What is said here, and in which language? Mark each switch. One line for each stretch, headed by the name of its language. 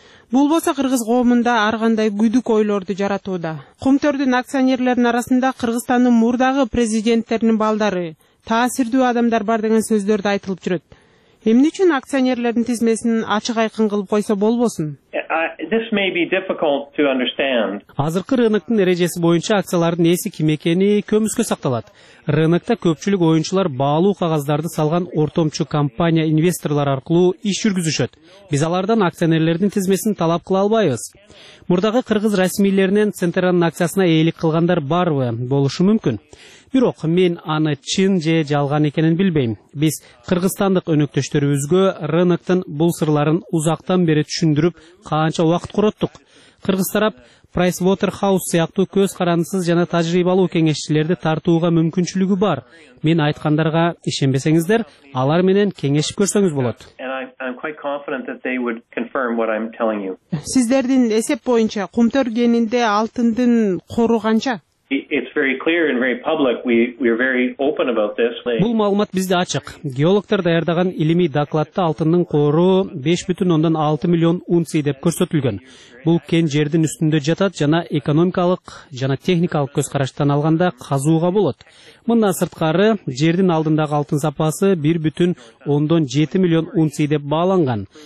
Kyrgyz: Бул болсо кыргыз коомунда ар кандай күдүк ойлорду жаратууда. Кумтөрдүн акционерлерин арасында Кыргызстандын мурдагы президенттеринин балдары, таасирдүү адамдар бар деген сөздөр да айтылып жүрөт. Эмне үчүн акционерлердин тизмесин ачык айкын кылып койсо болбосун?
English: This may be difficult to understand.
Kyrgyz: Азыркы рыноктун эрежеси боюнча акциялардын ээси ким экени көмүскө сакталат. Рынокто көпчүлүк оюнчулар баалуу кагаздарды салган ортомчу компания инвесторлор аркылуу иш жүргүзүшөт. Биз алардан акционерлердин тизмесин талап кыла албайбыз. Мурдагы кыргыз расмийлеринен Центеранын акциясына ээлик кылгандар барбы? Болушу мүмкүн. Бирок мен аны чын же жалган экенин билбейм. Биз кыргызстандык өнөктөштөрүбүзгө рыноктун бул сырларын узактан бери түшүндүрүп канча убакыт короттук. Кыргыз тарап Pricewaterhouse сыяктуу көз карандысыз жана тажрыйбалуу кеңешчилерди тартууга мүмкүнчүлүгү бар. Мен айткандарга ишенбесеңиздер, алар менен кеңешип көрсөңүз болот. Сиздердин эсеп боюнча кумтөр кенинде алтындын кору канча?
English: It's very clear and very public. We're very open about this.
Kyrgyz: Бул маалымат бизде ачык. Геологтор даярдаган илимий докладта алтындын кору 5.6 миллион унций деп көрсөтүлгөн. Бул кен жердин үстүндө жатат жана экономикалык жана техникалык көз караштан алганда казууга болот. Мындан сырткары жердин алдындагы алтын запасы 1.7 миллион унций деп бааланган.